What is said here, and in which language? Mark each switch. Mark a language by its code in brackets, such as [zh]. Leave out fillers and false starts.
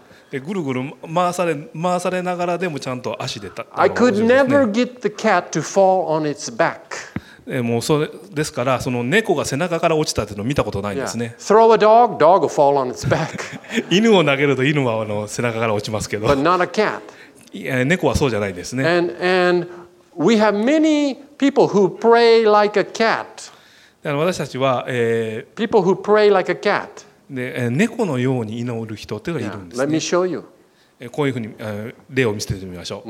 [ja] でぐるぐる回されながらでもちゃんと足で [en] I could never get the cat to fall on its back. [ja] もうそれですからその猫が背中から落ちたっていうのを見たことないんですね。 [en] Yeah. Throw a dog, dog will fall on its back. [ja] 犬を投げると犬は背中から落ちますけど。 [en] But not a cat. [ja] 猫はそうじゃないですね。 [en] And we have many people who pray like a cat. [ja] 私たちは、 [en] people who pray like a cat. [ja] で猫のように祈る人というのがいるんですね。 [en] Let me show you. [ja] こういうふうに例を見せてみましょう。